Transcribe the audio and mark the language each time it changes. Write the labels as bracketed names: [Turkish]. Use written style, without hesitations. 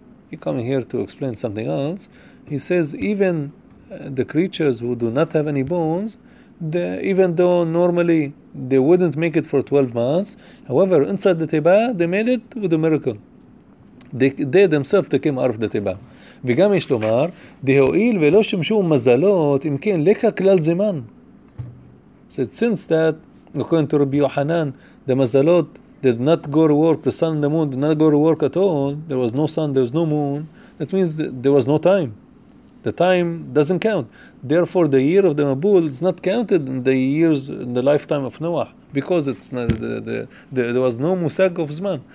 [English] He coming here to explain something else. He says, even the creatures who do not have any bones, even though normally they wouldn't make it for 12 months, however, inside the Teba, they made it with a miracle. They themselves, they came out of the Teba. [Hebrew] וגם יש לומר, דהואיל ולא שימשו מזלות, אם כן, לך כלל זמן. [English] So since that, according to Rabbi Yohanan, the מזלות did not go to work, the sun and the moon did not go to work at all, there was no sun, there was no moon, that means there was no time. The time doesn't count. Therefore, the year of the Mabul is not counted in the years in the lifetime of Noah because it's not there was no Musag of Zman.